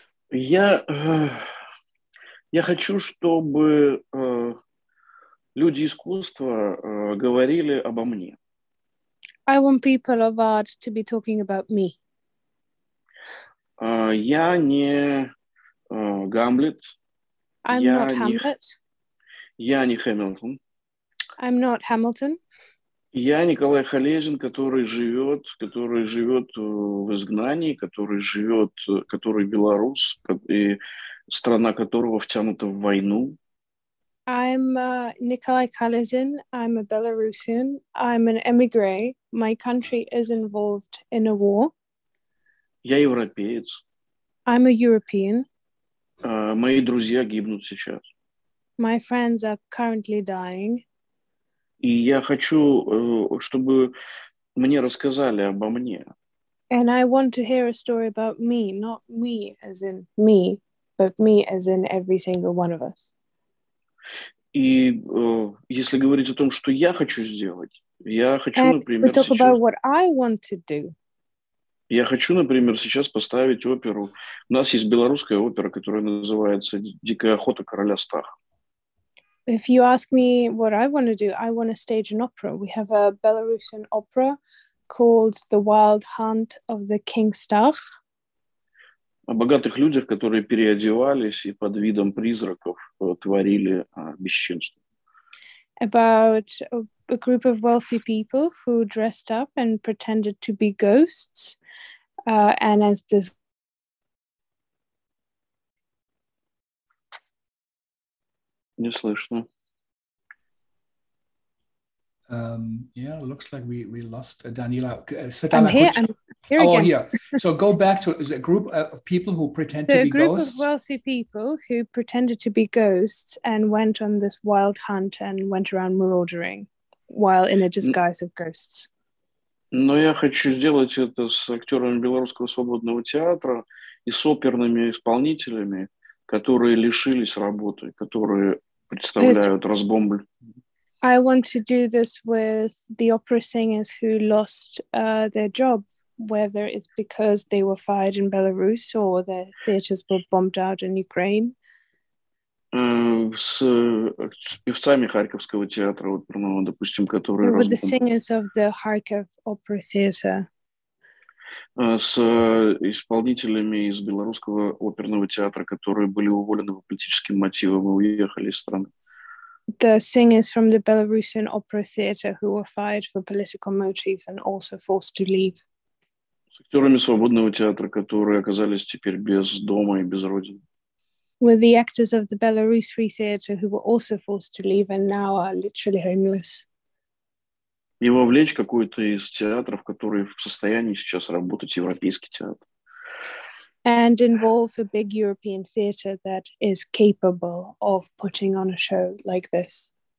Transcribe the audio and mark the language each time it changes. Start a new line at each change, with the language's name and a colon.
Russian: Я хочу, чтобы люди искусства говорили обо мне.
English: I want people of art to be talking about me.
Russian: Я не Гамлет.
English: I'm not Hamlet.
Russian: Я не Хэмилтон.
English: I'm not Hamilton.
Russian: Я Николай Халезин, который живет в изгнании, который белорус, и страна которого втянута в войну.
English: I'm Nicolai Khalezin. I'm a Belarusian. I'm an emigre. My country is involved in a war.
Russian: Я европеец.
English: I'm a European.
Russian: Мои друзья гибнут сейчас.
English: My friends are currently dying.
Russian: И я хочу, чтобы мне рассказали обо мне.
English: And I want to hear a story about me, not me as in me, but me as in every single one of us.
Russian: И если говорить о том, что я хочу сделать, я хочу, например,
English: we talk
Russian: сейчас,
English: about what I want to do.
Russian: Я хочу, например, сейчас поставить оперу. У нас есть белорусская опера, которая называется «Дикая охота короля Стаха».
English: If you ask me what I want to do, I want to stage an opera. We have a Belarusian opera called The Wild Hunt of the King Stach.
Russian: О богатых людях, которые переодевались и под видом призраков творили бесчинство.
English: About a group of wealthy people who dressed up and pretended to be ghosts, and as this
Russian: не слышно.
English: Yeah, it looks like we lost Daniela. Svetlana, I'm here again. Here. So go back to a group of people who pretend to be ghosts. A group of wealthy people who pretended to be ghosts and went on this wild hunt and went around marauding while in a disguise of ghosts.
Russian: Но я хочу сделать это с актерами Белорусского свободного театра и с оперными исполнителями, которые лишились работы, которые представляют разбомбль.
English: I want to do this with the opera singers who lost their job, whether it's because they were fired in Belarus or their theaters were bombed out in Ukraine.
Russian: С певцами Харьковского театра, вот, ну, допустим, которые разбомбили.
English: With the singers of the Kharkiv Opera Theater.
Russian: С исполнителями из белорусского оперного театра, которые были уволены по политическим мотивам и уехали из страны.
English: The singers from the Belarusian Opera Theatre who were fired for political motives and also forced to leave.
Russian: С актерами свободного театра, которые оказались теперь без дома и без родины.
English: With the actors of the Belarus Free Theatre who were also forced to leave and now are literally homeless.
Russian: И вовлечь какой-то из театров, которые в состоянии сейчас работать, европейский театр.
English: And involve a big European theater that is capable of putting on a show like this.